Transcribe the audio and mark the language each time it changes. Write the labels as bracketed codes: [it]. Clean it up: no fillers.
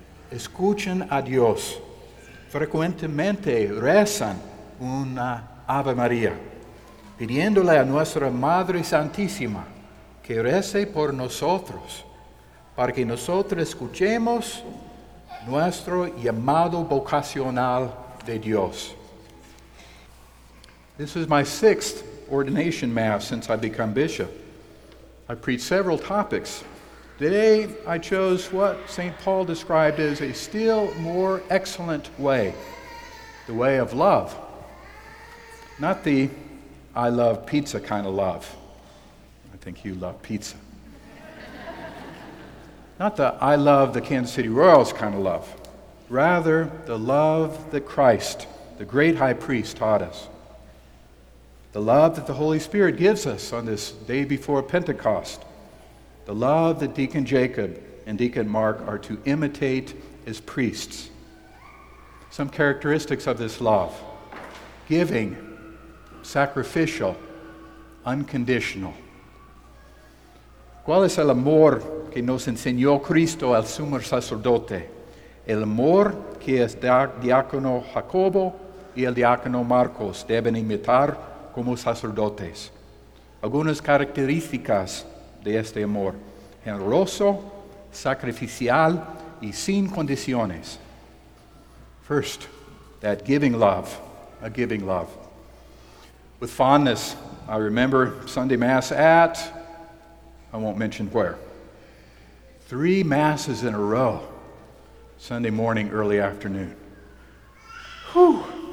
[es] Escuchen a Dios. Frecuentemente rezan una Ave María, pidiéndole a nuestra Madre Santísima que rece por nosotros, para que nosotros escuchemos nuestro llamado vocacional de Dios. [en] This is my sixth ordination mass since I've become bishop. I preach several topics. Today, I chose what St. Paul described as a still more excellent way, the way of love. Not the I love pizza kind of love. I think you love pizza. Not the I love the Kansas City Royals kind of love. Rather, the love that Christ, the great high priest, taught us. The love that the Holy Spirit gives us on this day before Pentecost. The love that Deacon Jacob and Deacon Mark are to imitate as priests. Some characteristics of this love: giving, sacrificial, unconditional. [es] ¿Cuál es el amor que nos enseñó Cristo al sumo sacerdote? El amor que es diácono Jacobo y el diácono Marcos deben imitar como sacerdotes. Algunas características de este amor: generoso, sacrificial, y sin condiciones. [en] First, that giving love, a giving love. With fondness, I remember Sunday Mass at, I won't mention where, 3 Masses in a row, Sunday morning, early afternoon. Whew,